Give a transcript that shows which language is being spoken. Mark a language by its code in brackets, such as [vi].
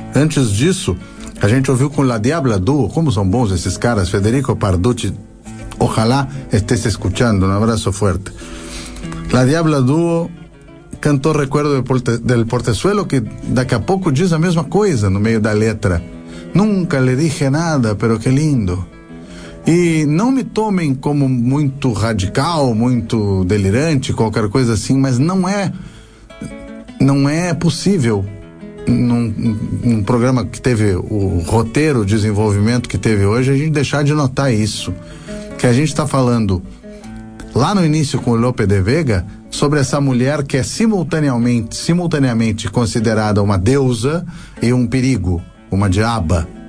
[pt] Antes disso, a gente ouviu com La Diabla Duo, como são bons esses caras, Federico Parducci, [es] ojalá estés escuchando, [pt] um abraço forte. La Diabla Duo cantou Recuerdo del Portezuelo, que daqui a pouco diz a mesma coisa no meio da letra. [es] Nunca lhe dije nada, pero que lindo. [pt] E não me tomem como muito radical, muito delirante, qualquer coisa assim, mas não é possível num programa que teve o roteiro, o desenvolvimento que teve hoje, a gente deixar de notar isso, que a gente está falando lá no início com o Lope de Vega sobre essa mulher que é simultaneamente considerada uma deusa e um perigo, uma diaba.